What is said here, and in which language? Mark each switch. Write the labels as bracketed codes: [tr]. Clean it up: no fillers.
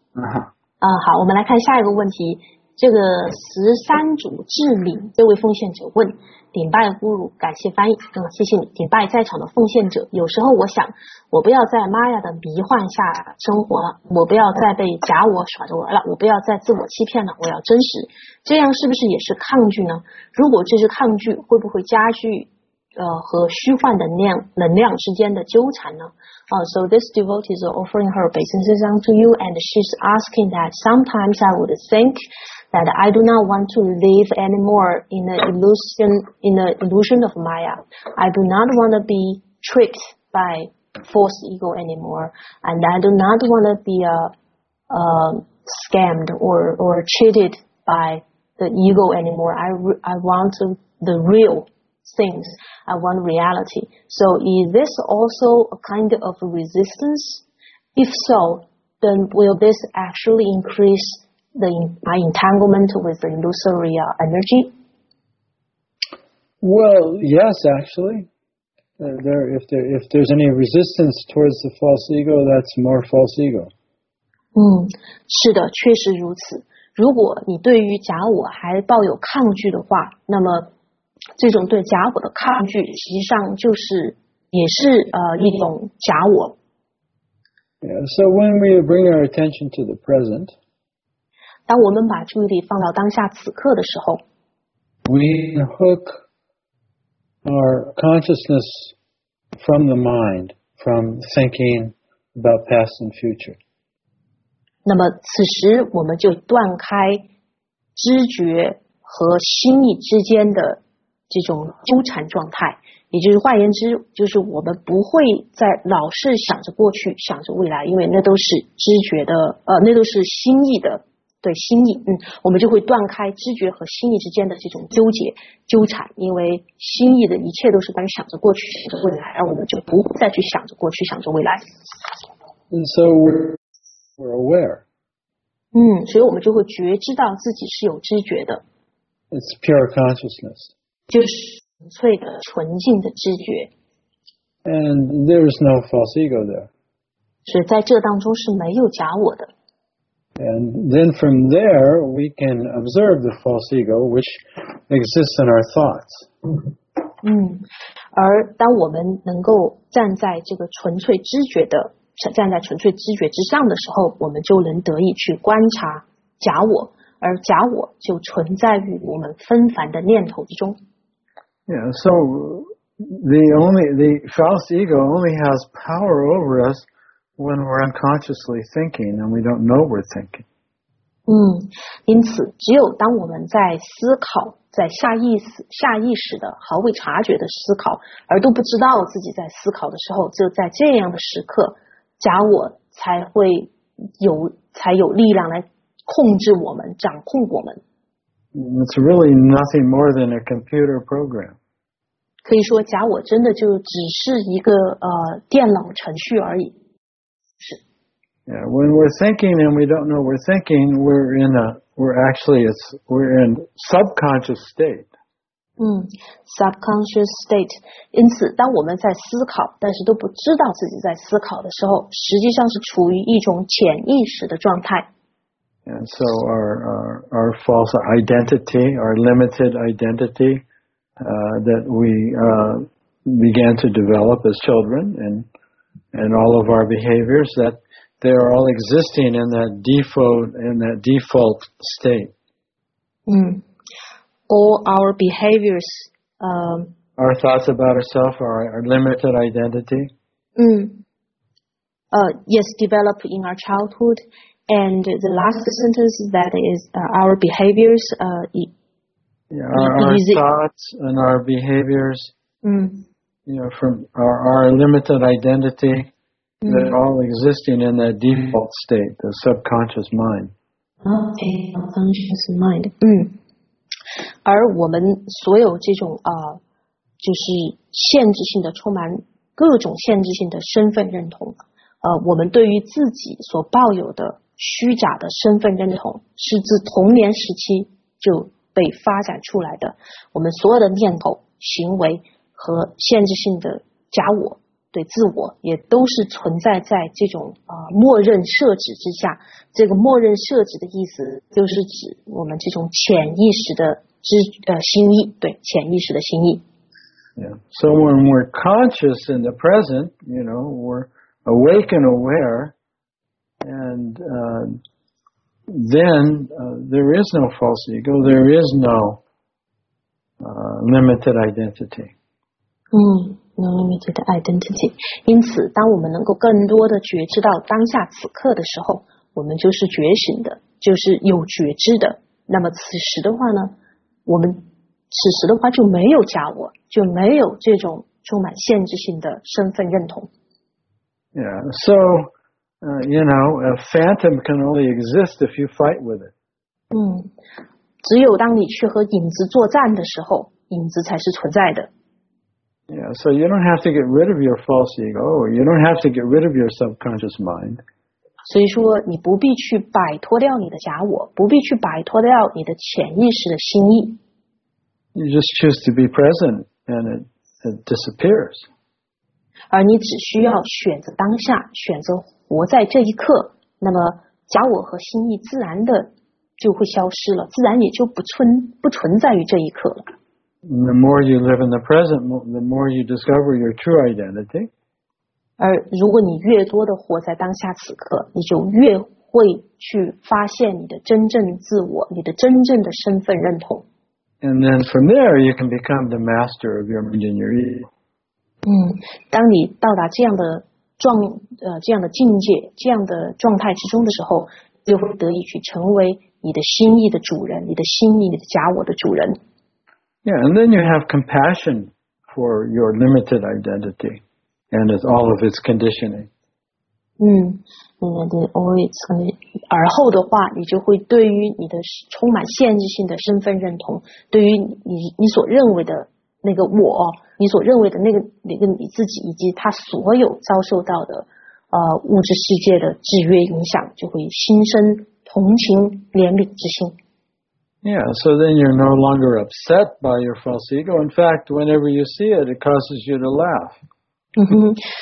[zh] 好，我们来看下一个问题。这个十三组智领这位奉献者问，顶拜咕噜，感谢翻译，谢谢你，顶拜在场的奉献者，有时候我想，我不要在玛雅的迷幻下生活了，我不要再被假我耍着玩了，我不要再自我欺骗了，我要真实，这样是不是也是抗拒呢？如果这是抗拒，会不会加剧和虚幻的能量之间的纠缠呢？ [en] So this devotee is offering her business account to you, and she's asking that sometimes I would think that I do not want to live anymore in the illusion of Maya. I do not want to be tricked by false ego anymore, and I do not want to be scammed or cheated by the ego anymore. I want the real. Things. I want reality. So is this also a kind of resistance? If so, then will this actually increase my entanglement with the illusory energy? Well, yes, actually. If there's any resistance towards the false ego, that's more false ego. [zh] 是的，确实如此。如果你对于假我还抱有抗拒的话，那么这种对假我的抗拒实际上就是也是一种假我。 [en] Yeah, so when we bring our attention to the present, [zh] 当我们把注意力放到当下此刻的时候， [en] we hook our consciousness from the mind, from thinking about past and future. [zh] 那么此时我们就断开知觉和心意之间的这种纠缠状态，也就是换言之，就是我们不会再老是想着过去，想着未来，因为那都是知觉的，那都是心意的，对心意，我们就会断开知觉和心意之间的这种纠结纠缠，因为心意的一切都是关于想着过去，想着未来，而我们就不会再去想着过去，想着未来。 [en] And so we're aware. [zh] 所以我们就会觉知到自己是有知觉的。 [en] It's pure consciousness. [zh] 就是纯粹的纯净的知觉。 [en] And there is no false ego there. [zh] 所以在这当中是没有假我的。 [en] And then from there, we can observe the false ego which exists in our thoughts. [zh] 而当我们能够站在这个纯粹知觉的，站在纯粹知觉之上的时候，我们就能得以去观察假我。而假我就存在于我们纷繁的念头之中。 [en] Yeah, so the false ego only has power over us when we're unconsciously thinking and we don't know we're thinking. [zh] 因此，只有当我们在思考，在下意识的毫未察觉的思考，而都不知道自己在思考的时候，就在这样的时刻，假我才有力量来控制我们，掌控我们。 [en] It's really nothing more than a computer program. [zh] 可以说，假我真的就只是一个电脑程序而已。是。 [en] Yeah, when we're thinking and we don't know we're thinking, we're in subconscious state. Subconscious state. 因此，当我们在思考，但是都不知道自己在思考的时候，实际上是处于一种潜意识的状态。 And so our false identity, our limited identity, that we began to develop as children, and all of our behaviors that they are all existing in that default state. All our behaviors. Our thoughts about ourselves, our limited identity. Yes, developed in our childhood. And the last sentence, that is our behaviors. Our thoughts and our behaviors, from our limited identity. They're all existing in that default state, the subconscious mind. Okay, subconscious mind. [zh] 而我们所有这种就是限制性的、充满各种限制性的身份认同，我们对于自己所抱有的虚假的身份认同，是自童年时期就被发展出来的。我们所有的念头、行为和限制性的假我。对自我也都是存在在这种默认设置之下。这个默认设置的意思就是指我们这种潜意识的心意，对，潜意识的心意。 [en] Yeah. So when we're conscious in the present, you know, we're awake and aware, and there is no false ego, there is no limited identity. No limited identity. [zh] 因此，当我们能够更多的觉知到当下此刻的时候，我们就是觉醒的，就是有觉知的。那么此时的话呢，我们此时的话就没有假我，就没有这种充满限制性的身份认同。 [en] Yeah. So, you know, a phantom can only exist if you fight with it. [zh] 只有当你去和影子作战的时候，影子才是存在的。 [en] Yeah, so you don't have to get rid of your false ego, or you don't have to get rid of your subconscious mind. [zh] 所以说你不必去摆脱掉你的假我，不必去摆脱掉你的潜意识的心意。 [en] You just choose to be present, and it disappears. [zh] 而你只需要选择当下，选择活在这一刻，那么假我和心意自然的就会消失了，自然也就不存在于这一刻了。 [en] The more you live in the present, the more you discover your true identity. [zh] 而如果你越多的活在当下此刻，你就越会去发现你的真正自我，你的真正的身份认同。 [en] And then from there, you can become the master of your mind and your ego. [zh] 当你到达这样的境界、这样的状态之中的时候，就会得以去成为你的心意的主人，你的心意、你的假我的主人。 [en] Yeah, and then you have compassion for your limited identity and its all of its conditioning. [zh] 而后的话，你就会对于你的充满限制性的身份认同，对于你所认为的那个我，你所认为的那个你自己，以及他所有遭受到的物质世界的制约影响，就会心生同情怜悯之心。 [en] Yeah, so then you're no longer upset by your false ego. In fact, whenever you see it, it causes you to laugh.